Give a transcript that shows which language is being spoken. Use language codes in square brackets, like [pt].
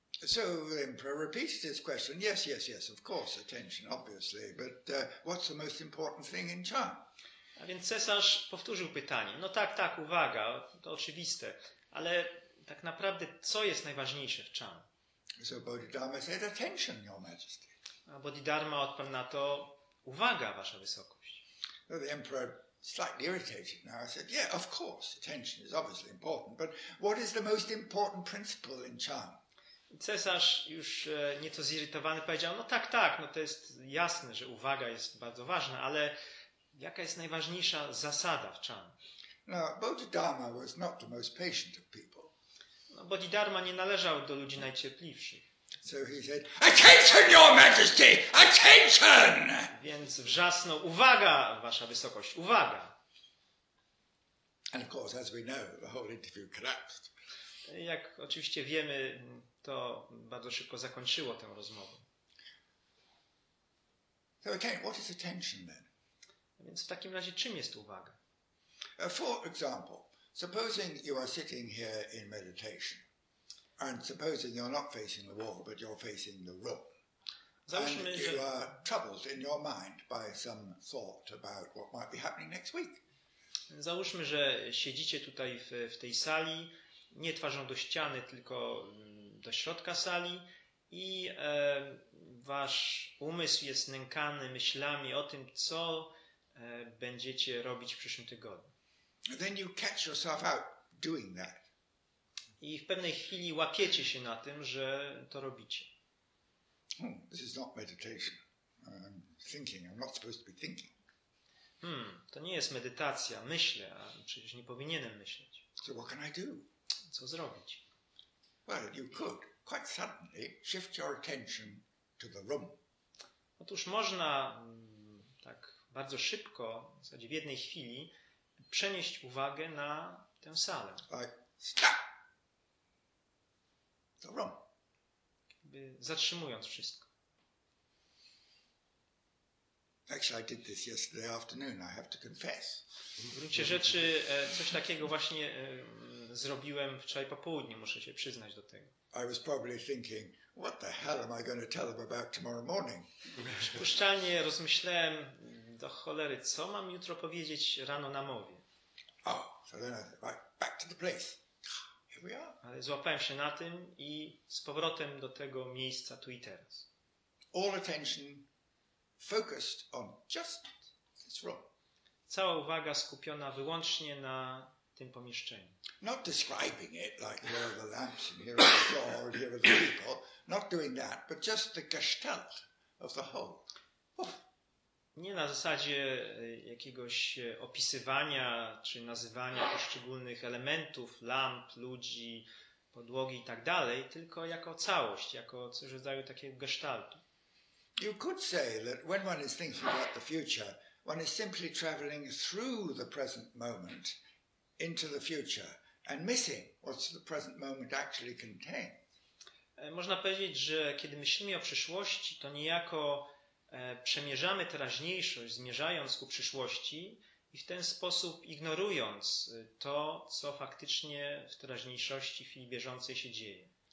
[en] So the emperor repeated his question. Yes, yes, yes, of course, attention, obviously, but what's the most important thing in Chan? [pl] A więc cesarz powtórzył pytanie. No tak, tak, uwaga, to oczywiste, ale tak naprawdę co jest najważniejsze w Chan? [en] So Bodhidharma said, attention, your majesty. [pl] A Bodhidharma odparł na to, uwaga, Wasza Wysokość. [en] So the emperor, slightly irritated now, said, yeah, of course, attention is obviously important, but what is the most important principle in Chan? [pl] Cesarz już nieco zirytowany powiedział, no tak, tak, no to jest jasne, że uwaga jest bardzo ważna, ale jaka jest najważniejsza zasada w Chan? [en] No, Bodhidharma was not the most patient of people. [pl] No, Bodhidharma nie należał do ludzi najcierpliwszych. [en] So he said, attention, your majesty, attention! [pl] Więc wrzasnął, uwaga, Wasza Wysokość, uwaga! [en] And of course, as we know, the whole interview collapsed. [pl] Jak oczywiście wiemy, to bardzo szybko zakończyło tę rozmowę. [en] So again, what is attention then? [pl] Więc w takim razie czym jest uwaga? [en] For example, supposing you are sitting here in meditation and supposing you're not facing the wall, but you're facing the room. [pl] Załóżmy, [en] and you are troubled in your mind by some thought about what might be happening next week. [pl] Załóżmy, że siedzicie tutaj w tej sali, nie twarzą do ściany, tylko do środka sali i wasz umysł jest nękany myślami o tym, co będziecie robić w przyszłym tygodniu. [en] Then you catch yourself out doing that. [pl] I w pewnej chwili łapiecie się na tym, że to robicie. [en] This is not meditation. I'm thinking. I'm not supposed to be thinking. [pl] To nie jest medytacja. Myślę, a przecież nie powinienem myśleć. [en] So what can I do? [pl] Co zrobić? [en] Well, you could quite suddenly shift your attention to to the room. [pl] Otóż można tak bardzo szybko, w zasadzie w jednej chwili, przenieść uwagę na tę salę. [en] Like, stop! The room. [pl] Jakby zatrzymując wszystko. [en] Actually, I did this yesterday afternoon. I have to confess. [pl] W gruncie rzeczy coś takiego właśnie zrobiłem wczoraj po południu. Muszę się przyznać do tego. [en] I was probably thinking, what the hell am I going to tell them about tomorrow morning? [pl] Przypuszczalnie rozmyślałem, do cholery, co mam jutro powiedzieć rano na mowie. [en] Oh, so then I said, right, back to the place. Here we are. [pl] Ale złapałem się na tym i z powrotem do tego miejsca tu i teraz. [en] All attention focused on just this room. [pl] Cała uwaga skupiona wyłącznie na tym pomieszczeniu. [en] Not describing it like here are the lamps and here are the floor and here are the people. Not doing that, but just the gestalt of the whole. [pl] Nie na zasadzie jakiegoś opisywania czy nazywania poszczególnych elementów, lamp, ludzi, podłogi i tak dalej, tylko jako całość, jako coś w rodzaju takiego gestaltu. [en] You could say that when one is thinking about the future, one is simply traveling through the present moment into the future and missing what the present moment actually contains. [pl] Można powiedzieć, że kiedy myślimy o przyszłości, to niejako przemierzamy teraźniejszość, zmierzając ku przyszłości i w ten sposób ignorując to, co faktycznie w teraźniejszości, w chwili bieżącej się dzieje.